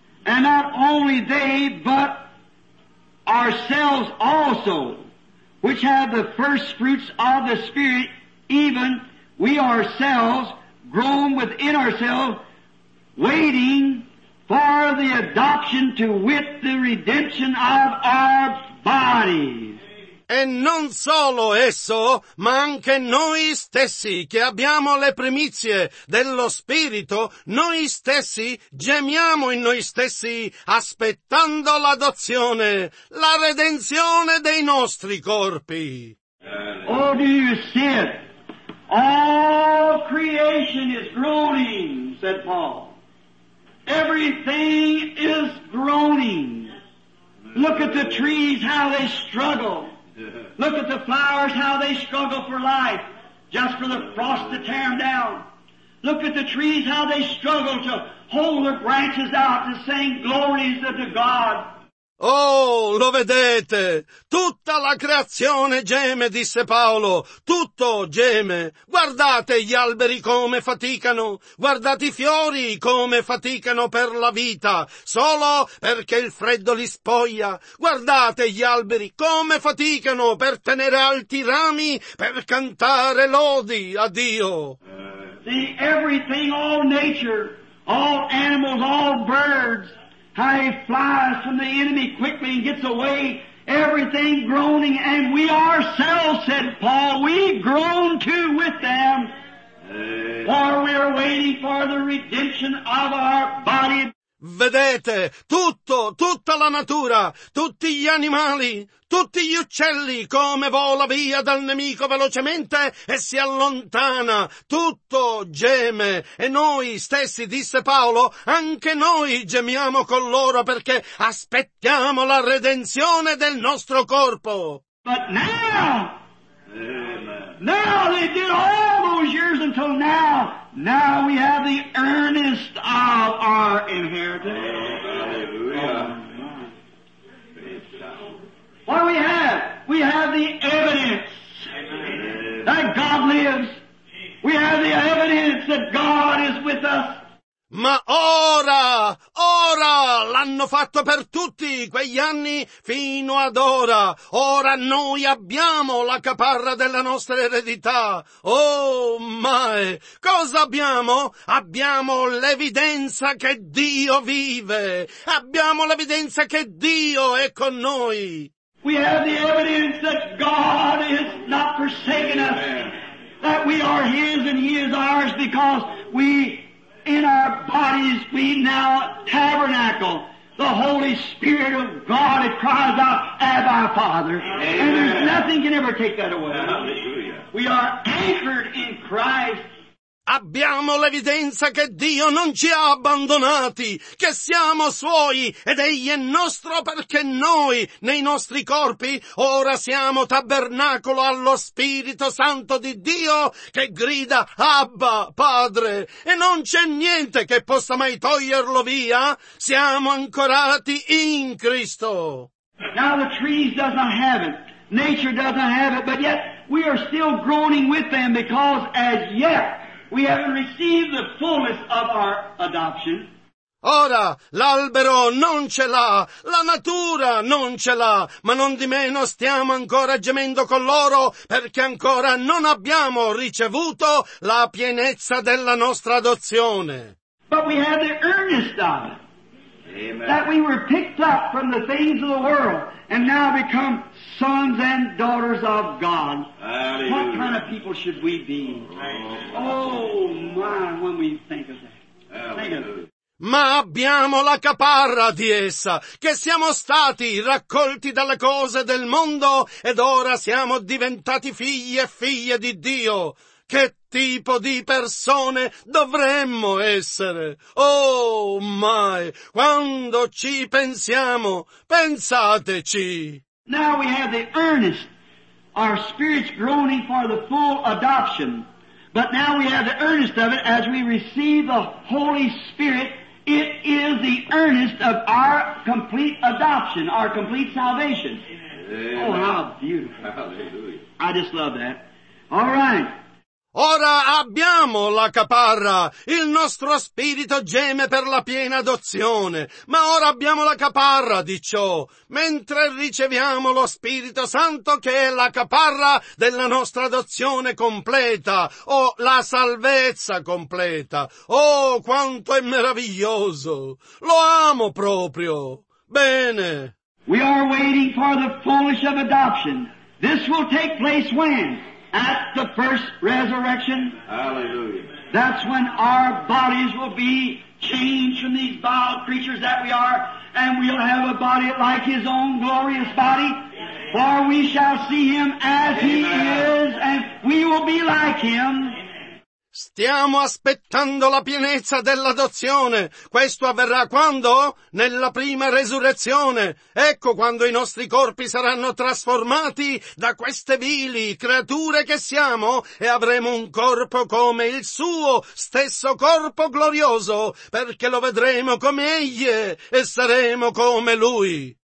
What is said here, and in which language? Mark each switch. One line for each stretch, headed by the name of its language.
English: And not only they, but ourselves also, which have the first fruits of the Spirit, even we ourselves groan within ourselves, waiting for the adoption, to wit, the redemption of our bodies.
Italian: E non solo esso, ma anche noi stessi, che abbiamo le primizie dello Spirito, noi stessi gemiamo in noi stessi, aspettando l'adozione, la redenzione dei nostri corpi.
English: Oh, do you see it? All creation is groaning, said Paul. Everything is groaning. Look at the trees, how they struggle. Look at the flowers, how they struggle for life, just for the frost to tear them down. Look at the trees, how they struggle to hold their branches out to sing glories unto God.
Italian: Oh, lo vedete? Tutta la creazione geme, disse Paolo. Tutto geme. Guardate gli alberi come faticano. Guardate i fiori come faticano per la vita, solo perché il freddo li spoglia. Guardate gli alberi come faticano per tenere alti i rami, per cantare lodi a Dio.
English: See, everything, all nature, all animals, all birds, how he flies from the enemy quickly and gets away, everything groaning, and we ourselves, said Paul, we groan too with them, for we are waiting for the redemption of our body.
Italian: Vedete, tutto, tutta la natura, tutti gli animali, tutti gli uccelli, come vola via dal nemico velocemente e si allontana, tutto geme, e noi stessi, disse Paolo, anche noi gemiamo con loro perché aspettiamo la redenzione del nostro corpo.
English: But now they did all those years until now. Now we have the earnest of our inheritance. Hallelujah. What do we have? We have the evidence that God lives. We have the evidence that God is with us.
Italian: Ma ora, ora, l'hanno fatto per tutti quegli anni fino ad ora. Ora noi abbiamo la caparra della nostra eredità. Oh, mai! Cosa abbiamo? Abbiamo l'evidenza che Dio vive. Abbiamo l'evidenza che Dio è con noi.
English: We have the evidence that God is not forsaken us. That we are His and He is ours because we... In our bodies we now tabernacle the Holy Spirit of God. It cries out, Abba, Father. Amen. And there's nothing can ever take that away. Hallelujah. We are anchored in Christ.
Italian: Abbiamo l'evidenza che Dio non ci ha abbandonati, che siamo suoi ed egli è nostro perché noi, nei nostri corpi, ora siamo tabernacolo allo Spirito Santo di Dio che grida Abba, Padre, e non c'è niente che possa mai toglierlo via, siamo ancorati in Cristo.
English: Now the trees doesn't have it, nature doesn't have it, but yet we are still groaning with them because as yet we haven't received the fullness of our adoption.
Italian: Ora, l'albero non ce l'ha, la natura non ce l'ha, ma non di meno stiamo ancora gemendo con loro perché ancora non abbiamo ricevuto la pienezza della nostra adozione.
English: But we have the earnest of it. Amen. That we were picked up from the things of the world and now become sons and daughters of God. Hallelujah. What kind of people should we be? Oh, my, when we think of that. Think of it.
Italian: Ma abbiamo la caparra di essa, che siamo stati raccolti dalle cose del mondo ed ora siamo diventati figli e figlie di Dio. Che tipo di persone dovremmo essere? Oh, mai, quando ci pensiamo, pensateci!
English: Now we have the earnest, our spirits groaning for the full adoption, but now we have the earnest of it as we receive the Holy Spirit. It is the earnest of our complete adoption, our complete salvation. Amen. Oh, how beautiful. Hallelujah. I just love that. All right.
Italian: Ora abbiamo la caparra, il nostro spirito geme per la piena adozione, ma ora abbiamo la caparra di ciò, mentre riceviamo lo Spirito Santo che è la caparra della nostra adozione completa, o la salvezza completa. Oh, quanto è meraviglioso! Lo amo proprio! Bene!
English: We are waiting for the fullness of adoption. This will take place when? At the first resurrection. Hallelujah. That's when our bodies will be changed from these vile creatures that we are, and we'll have a body like His own glorious body. Amen. For we shall see Him as Amen. He is, and we will be like Him.
Italian: Stiamo aspettando la pienezza dell'adozione. Questo avverrà quando? Nella prima resurrezione. Ecco quando i nostri corpi saranno trasformati da queste vili creature che siamo e avremo un corpo come il suo stesso corpo glorioso, perché lo vedremo come egli è e saremo come lui.